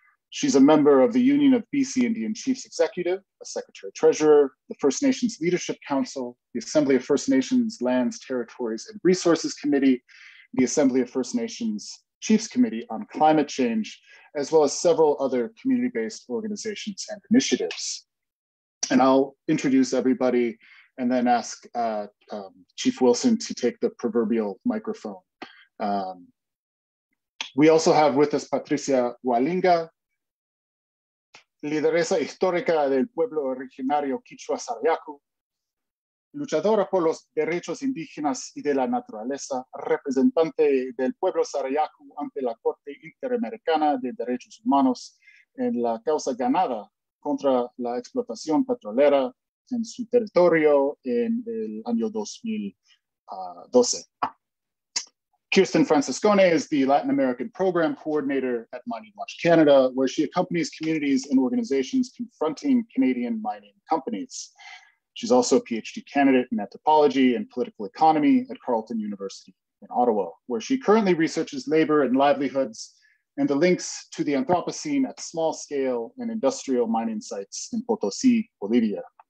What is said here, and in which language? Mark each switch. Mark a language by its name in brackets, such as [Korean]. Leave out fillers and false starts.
[English] She's a member of the Union of BC Indian Chiefs Executive, a Secretary Treasurer, the First Nations Leadership Council, the Assembly of First Nations Lands, Territories and Resources Committee, the Assembly of First Nations Chiefs Committee on Climate Change, as well as several other community-based organizations and initiatives. And I'll introduce everybody and then ask Chief Wilson to take the proverbial microphone. We also have with us [Spanish] Patricia Hualinga, lideresa histórica del pueblo originario Quichua Sariaku, luchadora por los derechos indígenas y de la naturaleza, representante del pueblo Sariaku ante la Corte Interamericana de Derechos Humanos en la causa ganada contra la explotación petrolera en su territorio en el año 2012. [English] Kirsten Francescone is the Latin American Program Coordinator at Mining Watch Canada, where she accompanies communities and organizations confronting Canadian mining companies. She's also a PhD candidate in anthropology and political economy at Carleton University in Ottawa, where she currently researches labor and livelihoods and the links to the Anthropocene at small scale and industrial mining sites in Potosí, Bolivia.